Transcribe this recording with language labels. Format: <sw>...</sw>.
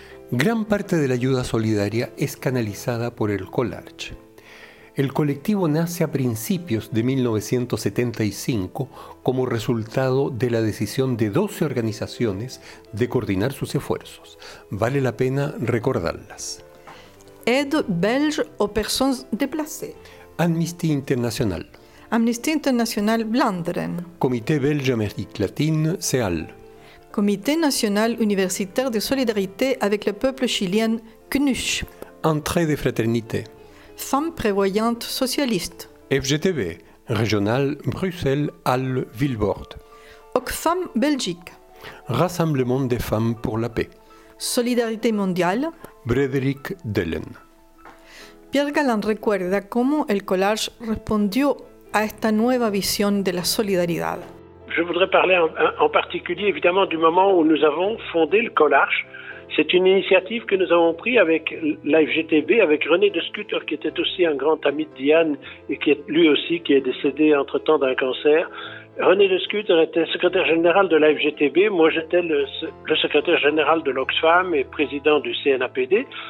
<es>Gran parte de la ayuda solidaria es canalizada por el COLARCH. El colectivo nace a principios de 1975 como resultado de la decisión de 12 organizaciones de coordinar sus esfuerzos. Vale la pena recordarlas.</es> <fr>Aide Belge aux Personnes Déplacées.</fr> <es>Amnistía Internacional. Amnistía Internacional Vlaanderen.</es> <fr>Comité Belge Amérique Latine, CEAL. Comité National Universitaire de Solidarité avec le Peuple Chilien, CNUSH. Entrée de Fraternité. Femmes Prévoyantes Socialistes. FGTB, Régional Bruxelles, Halle, Vilborde. OCFAM Belgique. Rassemblement des Femmes pour la Paix. Solidarité Mondiale. Frédéric Delen.</fr> <es>Pierre Galland recuerda cómo el COLARCH respondió a esta nueva visión de la solidaridad.</es> <fr>Je voudrais parler en particulier, évidemment, du moment où nous avons fondé le COLARCH. C'est une initiative que nous avons prise avec l'AFGTB, avec René de Scutter, qui était aussi un grand ami de Diane et qui est lui aussi qui est décédé entre-temps d'un cancer. René de Scutter était secrétaire général de l'AFGTB, moi j'étais le secrétaire général de l'Oxfam et président du CNAPD.</fr>